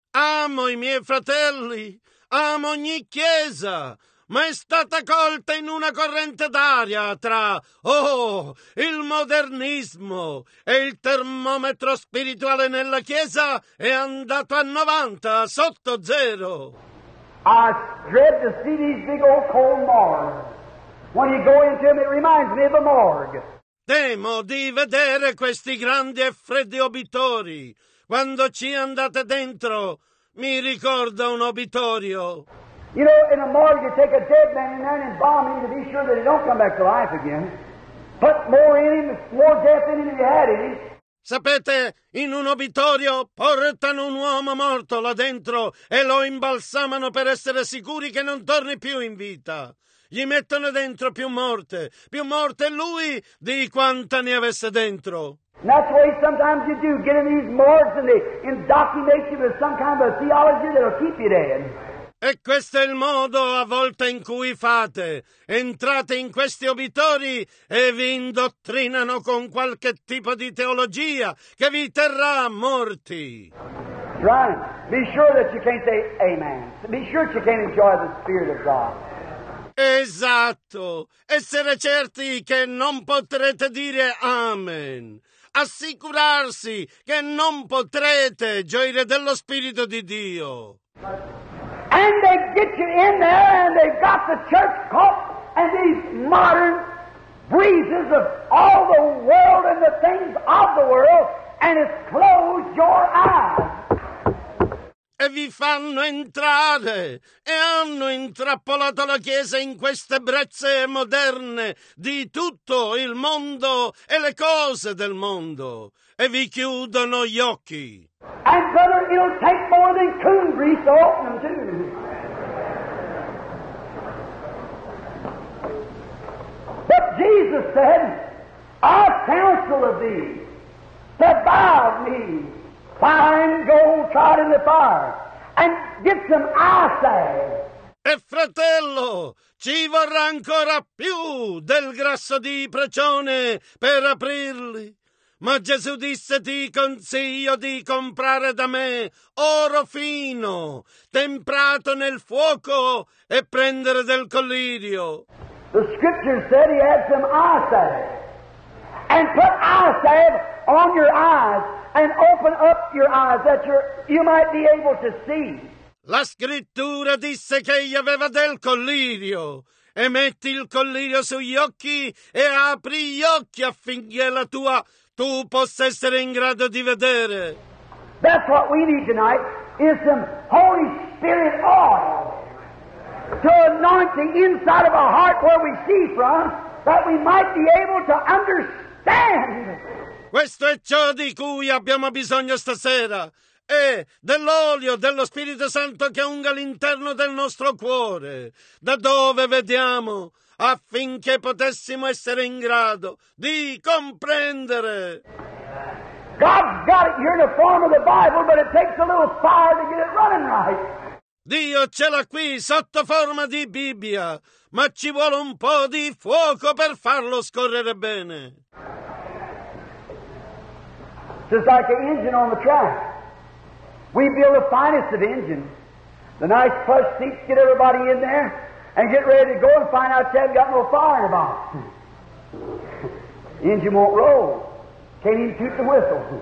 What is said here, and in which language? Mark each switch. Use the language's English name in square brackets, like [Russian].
[Italian] Amo i miei fratelli, amo ogni chiesa, ma è stata colta in una corrente d'aria tra, il modernismo e il termometro spirituale nella Chiesa è andato a 90, sotto zero. [English] I dread to see these big old cold morgues. When you go into them, it reminds me of a morgue. [Italian] Temo di vedere questi grandi e freddi obitori. Quando ci andate dentro, mi ricorda un obitorio. [English] You know, in a morgue, you take a dead man in there and embalm him to be sure that he don't come back to life again. Put more in him, more death in him than you had in him. [Italian] Sapete, in un obitorio portano un uomo morto là dentro e lo imbalsamano per essere sicuri che non torni più in vita. Gli mettono dentro più morte lui di quanta ne avesse dentro. [English] And that's the way sometimes you do, get in these morgues and they indoctrinate you with some kind of a theology that'll keep you dead. [Italian] E questo è il modo a volte in cui fate. Entrate in questi obitori e vi indottrinano con qualche tipo di teologia che vi terrà morti. [English] Right. Be sure that you can't say amen. Be sure that you can't enjoy the Spirit of God. [Italian] Esatto. Essere certi che non potrete dire amen. Assicurarsi che non potrete gioire dello Spirito di Dio. [English] And they get you in there and they've got the church caught and these modern breezes of all the world and the things of the world and it's closed your eyes. [Italian] E vi fanno entrare e hanno intrappolato la Chiesa in queste brezze moderne di tutto il mondo e le cose del mondo e vi chiudono gli occhi. [English] And brother, it'll take more than coon grease to open them too. But Jesus said, I counsel of thee to buy of me fine gold tried in the fire and get some eyesight. [Italian] E fratello, ci vorrà ancora più del grasso di precione per aprirli. Ma Gesù disse, ti consiglio di comprare da me oro fino, temprato nel fuoco e prendere del collirio. [English] The scripture said he had some eyesalve. And put eyesalve on your eyes and open up your eyes that you might be able to see. [Italian] La scrittura disse che egli aveva del collirio. E metti il collirio sugli occhi e apri gli occhi affinché la tua... tu possa essere in grado di vedere. [English] That's what we need tonight, is some Holy Spirit oil to anoint the inside of our heart where we see from, that we might be able to understand. [Italian] Questo è ciò di cui abbiamo bisogno stasera, è dell'olio dello Spirito Santo che unga l'interno del nostro cuore, da dove vediamo, affinché potessimo essere in grado di comprendere. [English] God's got it here in the form of the Bible, but it takes a little fire to get it running right. [Italian] Dio ce l'ha qui sotto forma di Bibbia, ma ci vuole un po' di fuoco per farlo scorrere bene. [English] Just like an engine on the track. We build the finest of engines. The nice plush seats get everybody in there. And get ready to go and find out you haven't got no fire in the box. Engine won't roll. Can't even toot the whistle.